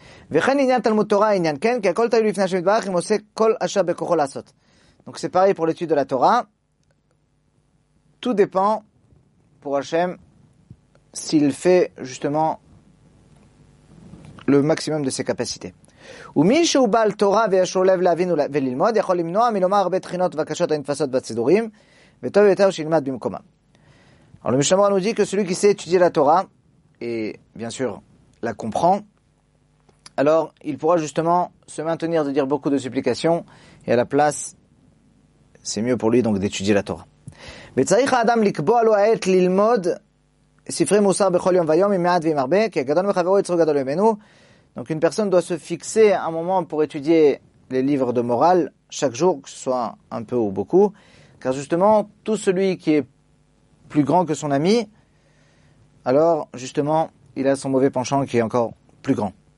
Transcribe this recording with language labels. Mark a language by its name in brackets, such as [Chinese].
[French] Donc c'est pareil pour l'étude de la Torah. Tout dépend pour Hachem s'il fait justement le maximum de ses capacités. [Hebrew] ומי שהוא בעל תורה וישרו לב להבין וללמוד יכול למנוע מלומר הרבה תחינות ובקשות הנתפסות בצידורים וטוב יותר שילמד במקומה. [French] Alors le Mishnah Berurah nous dit que celui qui sait étudier la Torah et bien sûr la comprend, alors il pourra justement se maintenir de dire beaucoup de supplications et à la place c'est mieux pour lui donc d'étudier la Torah. [Hebrew] וצריך האדם לקבוע לו העת ללמוד ספרי מוסר בכל יום ויום עם מעט ועם הרבה כי הגדול מחברו יצרו גדול ממנו. [French] Donc une personne doit se fixer un moment pour étudier les livres de morale chaque jour, que ce soit un peu ou beaucoup, car justement tout celui qui est plus grand que son ami, alors justement il a son mauvais penchant qui est encore plus grand.